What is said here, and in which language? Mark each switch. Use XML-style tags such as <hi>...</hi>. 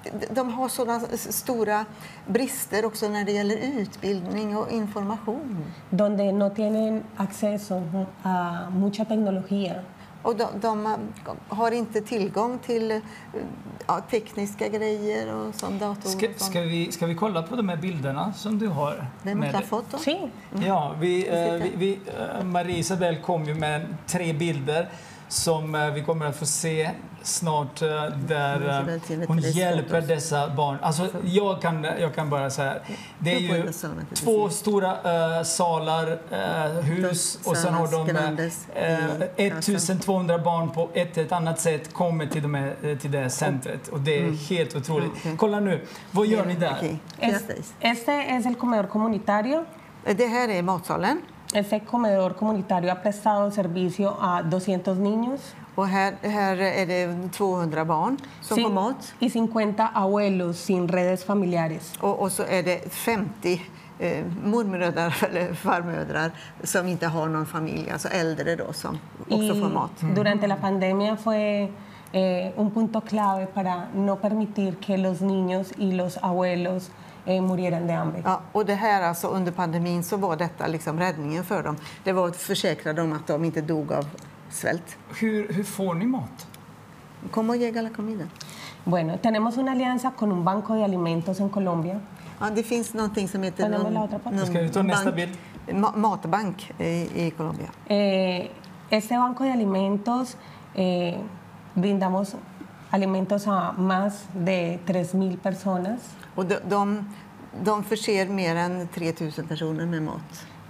<sv>De har sådana stora brister också när det gäller utbildning och information.</sv> <es>Donde no tienen acceso a mucha tecnología.</es> <sv>Och de har inte tillgång till tekniska grejer och som datorer. Ska vi kolla på de här bilderna som du har? Vem har fått dem?</sv> <es>Sí. Mm.</es> <sv>Ja, Marielsabel kom ju med tre bilder som vi kommer att få se snart där hon hjälper dessa barn. Alltså jag kan bara säga det är ju två stora salar, hus och sen har de 1200 barn på ett annat sätt kommer till det centret och det är helt otroligt. Kolla nu, vad gör ni där?</sv> <es>Este es el comedor comunitario.</es> <sv>Det här är matsalen.</sv> <es>Este comedor comunitario ha prestado servicio a 200 niños.</es> <sv>Och här är det 200 barn som får mat.</sv> <es>Y 50 abuelos sin redes familiares.</es> <sv>Och så är det 50 mormödrar eller farmödrar som inte har någon familj, alltså äldre då, som också får mat.</sv> <es>Durante la pandemia fue un punto clave para no permitir que los niños y los abuelos murieran de hambre.</es> <sv>Ja, och det här alltså under pandemin så var detta liksom räddningen för dem. Det var att försäkra dem att de inte dog av svält. Hur får ni mat?</sv> <es>¿Cómo llega la comida? Bueno, tenemos una alianza con un banco de alimentos en Colombia.</es> <sv>Ja, det finns någonting som heter matbank i Colombia.</sv> <es>Este banco de alimentos brindamos alimentos a más de 3000 personas.</es> <sv>Och de förser mer än 3000 personer med mat.</sv>